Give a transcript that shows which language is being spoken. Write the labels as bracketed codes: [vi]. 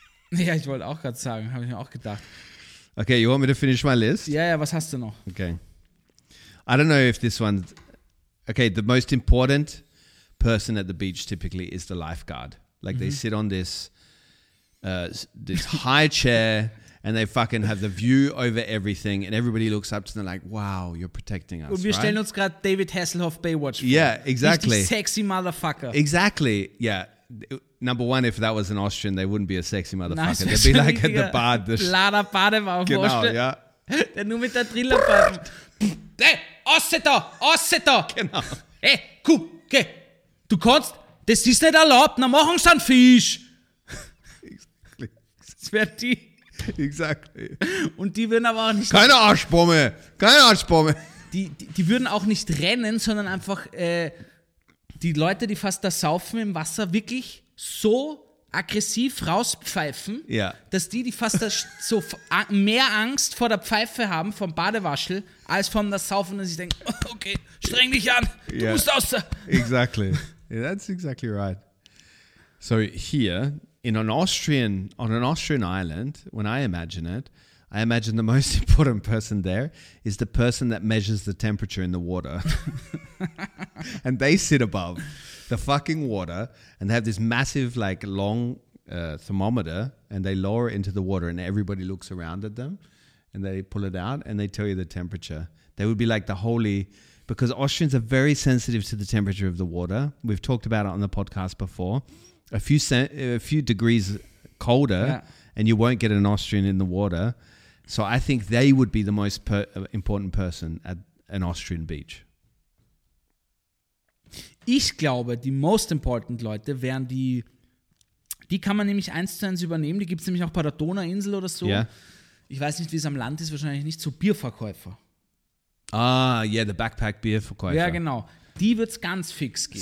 [de] Ja, ich wollte auch gerade sagen. Habe ich mir auch gedacht. [en] Okay, you want me to finish my list? [de] Ja, ja, was hast du noch? [en] Okay. I don't know if this one... Okay, the most important person at the beach typically is the lifeguard. Like mm-hmm. they sit on this this high chair and they fucking have the view over everything and everybody looks up to them like, wow, you're protecting us, [de] und wir [en] right? [de] stellen uns gerade David Hasselhoff Baywatch vor. [en] Yeah, exactly. Sexy motherfucker. Exactly, yeah. Number one, if that was an Austrian, they wouldn't be a sexy motherfucker. Nice. They'd be like at the bar. The [de] blader Bademann. Genau, yeah. Der nur mit der Drillerpfeife. Hey, Aussetter, Aussetter. Genau. Hey, Kuh, geh. Du kannst, das ist nicht erlaubt, dann machen sie einen Fisch. [en] Exactly. [de] Das wäre die. [en] Exactly. [de] Und die würden aber auch nicht... Keine Arschbombe, keine Arschbombe. Die würden auch nicht rennen, sondern einfach die Leute, die fast da saufen im Wasser, wirklich so aggressiv rauspfeifen, ja. dass die fast das so mehr Angst vor der Pfeife haben, vom Badewaschel, als vom das Saufen, dass ich denke, okay, streng dich an, du ja. musst aus. [en] Exactly. Yeah, that's exactly right. So here, in an Austrian, on an Austrian island, when I imagine the most important person there is the person that measures the temperature in the water. And they sit above the fucking water and they have this massive like long thermometer and they lower it into the water and everybody looks around at them and they pull it out and they tell you the temperature. They would be like the holy, because Austrians are very sensitive to the temperature of the water. We've talked about it on the podcast before. A few degrees colder yeah. and you won't get an Austrian in the water. So I think they would be the most important person at an Austrian beach. [de] Ich glaube, die [en] most important [de] Leute wären die, die kann man nämlich eins zu eins übernehmen, die gibt es nämlich auch bei der Donauinsel oder so. [en] Yeah. [de] Ich weiß nicht, wie es am Land ist, wahrscheinlich nicht, so Bierverkäufer. [en] Ah, yeah, the backpack Bierverkäufer. [de] Ja, genau. Die wird es ganz fix geben.